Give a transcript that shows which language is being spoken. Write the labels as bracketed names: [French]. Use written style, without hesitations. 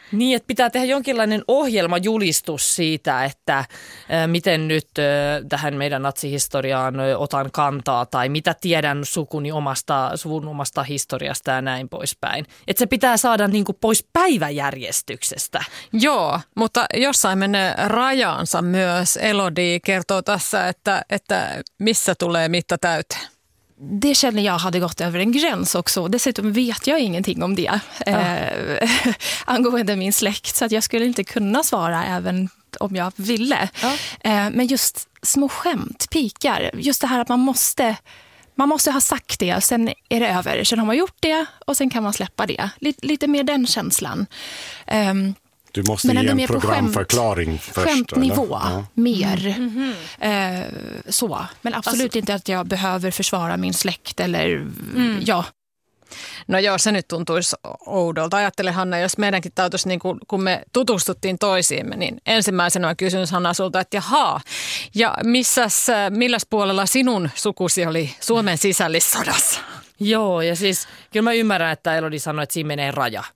[Finnish] Niin, että pitää tehdä jonkinlainen ohjelmajulistus siitä, että miten nyt tähän meidän natsihistoriaan otan kantaa tai mitä tiedän sukuni omasta historiasta ja näin poispäin. Että se pitää saada niin kuin pois päiväjärjestyksestä. Joo, mutta jossain menee rajansa myös. Elodie kertoo tässä, että missä tulee mitta täyteen. [Swedish] Det känner jag hade gått över en gräns också. Dessutom vet jag ingenting om det. Ja. Angående min släkt. Så att jag skulle inte kunna svara även om jag ville. Ja. Men just små skämt, pikar. Just det här att man måste ha sagt det och sen är det över. Sen har man gjort det och sen kan man släppa det. Lite mer den känslan. Du måste men ge en programförklaring först. Skämtnivå, ja. Mer. Mm-hmm. Så. Men absolut inte att jag behöver försvara min släkt eller ja. [Finnish] No joo, se nyt tuntuisi oudolta. Ajattele Hanna, jos meidänkin täytyisi, niin kun me tutustuttiin toisiimme, niin ensimmäisenä mä kysyn Hanna sulta, että jaha, ja milläs puolella sinun sukusi oli Suomen sisällissodassa? Joo, ja siis kyllä mä ymmärrän, että Elodie sanoi, että siinä menee raja.